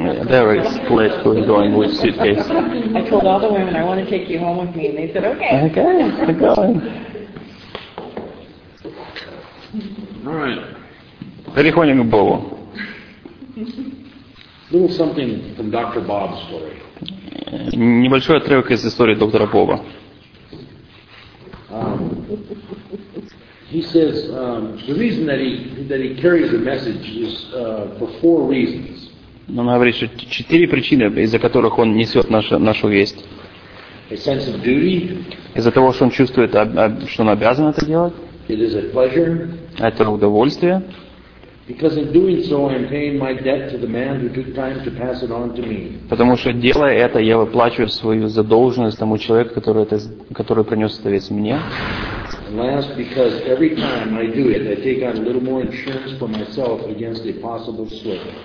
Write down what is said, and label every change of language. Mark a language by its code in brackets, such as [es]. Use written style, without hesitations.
[en] There is place for going with suitcase. I told all the women I want to take you home with me, and they said okay. Okay, we're going. All right. [ru] Переходим к Богу. [en] Little something from Dr. Bob's story. [ru] Небольшой отрывок из истории доктора Боба. [en] He says the reason that he carries the message is for four reasons. [ru] Он говорит, что четыре причины, из-за которых он несет нашу весть. [en] A sense of duty. [ru] Из-за того, что он чувствует, что он обязан это делать. [en] It is a pleasure. [ru] Это удовольствие. [en] Because in doing so, I am paying my debt to the man who took time to pass it on to me. [ru] Потому что делая это, я выплачиваю свою задолженность тому человеку, который принес это весь мне. [en] And last, because every time I do it, I take on a little more insurance for myself against a possible slip.